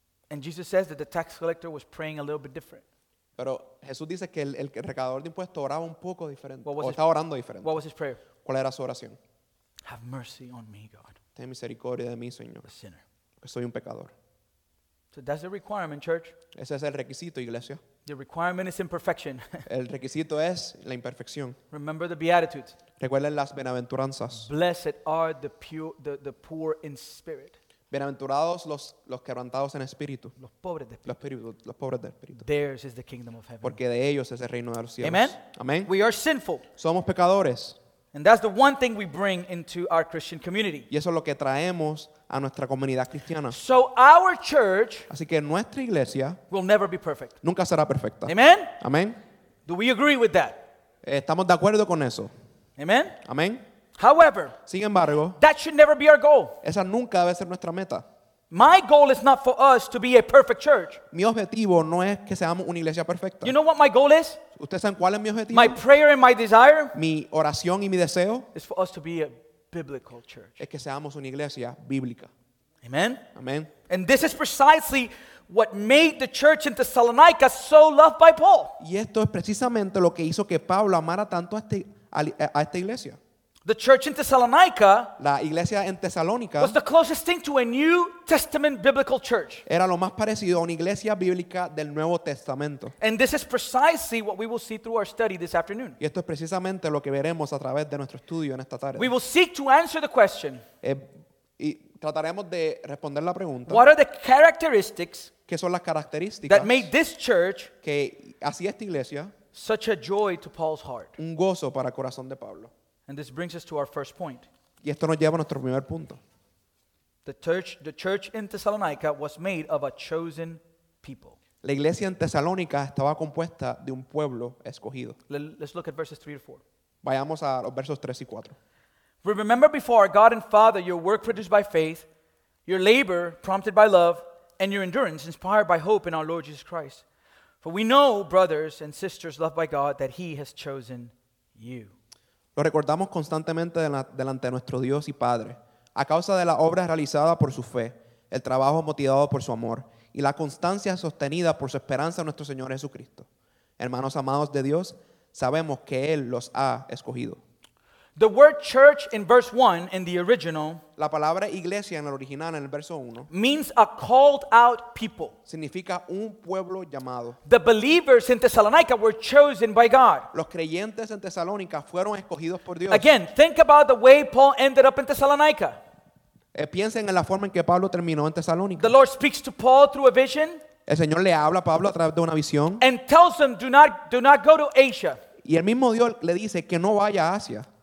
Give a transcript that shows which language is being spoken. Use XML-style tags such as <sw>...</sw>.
<en>And Jesus says that the tax collector was praying a little bit different.</en> <es>Pero Jesús dice que el recaudador de impuestos oraba un poco diferente. O estaba orando diferente.</es> <en>What was his prayer?</en> <es>¿Cuál era su oración?</es> <en>Have mercy on me, God.</en> <es>Ten misericordia de mí, Señor.</es> <en>A sinner.</en> <es>Que soy un pecador.</es> <en>So that's the requirement, church.</en> <es>Ese es el requisito, iglesia.</es> <en>The requirement is imperfection.</en> <es>El requisito es la imperfección.</es> <en>Remember the Beatitudes.</en> <es>Recuerden las bienaventuranzas.</es> <en>Blessed are the pure, the poor in spirit.</en> <es>Bienaventurados los quebrantados en espíritu. Los pobres de espíritu. Los pobres de espíritu.</es> <en>Theirs is the kingdom of heaven.</en> <es>Porque de ellos es el reino de los cielos.</es> <en>Amen.</en> <es>Amen.</es> <en>We are sinful.</en> <es>Somos pecadores.</es> <en>And that's the one thing we bring into our Christian community.</en> <es>Y eso es lo que traemos a nuestra comunidad cristiana.</es> <en>So our church,</en> <es>así que nuestra iglesia,</es> <en>will never be perfect.</en> <es>Nunca será perfecta.</es> <en>Amen.</en> <es>Amen.</es> <en>Do we agree with that?</en> <es>Estamos de acuerdo con eso.</es> <en>Amen.</en> <es>Amen.</es> <en>However,</en> <es>sin embargo,</es> <en>that should never be our goal.</en> <es>Esa nunca debe ser nuestra meta.</es> <en>My goal is not for us to be a perfect church.</en> <es>Mi objetivo no es que seamos una iglesia perfecta.</es> <en>You know what my goal is?</en> <es>¿Ustedes saben cuál es mi objetivo?</es> <en>My prayer and my desire.</en> <es>Mi oración y mi deseo.</es> <en>Is for us to be a biblical church.</en> <es>Es que seamos una iglesia bíblica.</es> <en>Amen.</en> <es>Amen.</es> <en>And this is precisely what made the church in Thessalonica so loved by Paul.</en> <es>Y esto es precisamente lo que hizo que Pablo amara tanto a esta iglesia.</es> <en>The church in Thessalonica,</en> <es>la iglesia en Tesalónica,</es> <en>was the closest thing to a New Testament biblical church.</en> <es>Era lo más parecido a una iglesia bíblica del Nuevo Testamento.</es> <en>And this is precisely what we will see through our study this afternoon.</en> <es>Y esto es precisamente lo que veremos a través de nuestro estudio en esta tarde.</es> <en>We will seek to answer the question.</en> <es>Y trataremos de responder la pregunta.</es> <en>What are the characteristics?</en> <es>¿Qué son las características?</es> <en>That made this church,</en> <es>que hacía esta iglesia,</es> <en>such a joy to Paul's heart.</en> <es>Un gozo para el corazón de Pablo.</es> <en>And this brings us to our first point.</en> <es>Y esto nos lleva a nuestro primer punto.</es> <en>The church in Thessalonica was made of a chosen people.</en> <es>La iglesia en Tesalónica estaba compuesta de un pueblo escogido.</es> <en>Let's look at verses 3 to 4.</en> <es>Vayamos a los versos 3 y 4.</es> <en>We remember before our God and Father your work produced by faith, your labor prompted by love, and your endurance inspired by hope in our Lord Jesus Christ. For we know, brothers and sisters loved by God, that he has chosen you.</en> <es>Lo recordamos constantemente delante de nuestro Dios y Padre, a causa de la obra realizada por su fe, el trabajo motivado por su amor y la constancia sostenida por su esperanza en nuestro Señor Jesucristo. Hermanos amados de Dios, sabemos que Él los ha escogido.</es> <en>The word church in verse 1 in the original,</en> <es>la palabra iglesia en el original en el verso 1,</es> <en>means a called out people.</en> <es>Significa un pueblo llamado.</es> <en>The believers in Thessalonica were chosen by God.</en> <es>Los creyentes en Tesalónica fueron escogidos por Dios.</es> <en>Again, think about the way Paul ended up in Thessalonica.</en> <es>Piensen en la forma en que Pablo terminó en Tesalónica.</es> <en>The Lord speaks to Paul through a vision.</en> <es>El Señor le habla a Pablo a través de una visión.</es> <en>And tells him do not go to Asia.</en> <es>Y el mismo Dios le dice que no vaya a Asia.</es>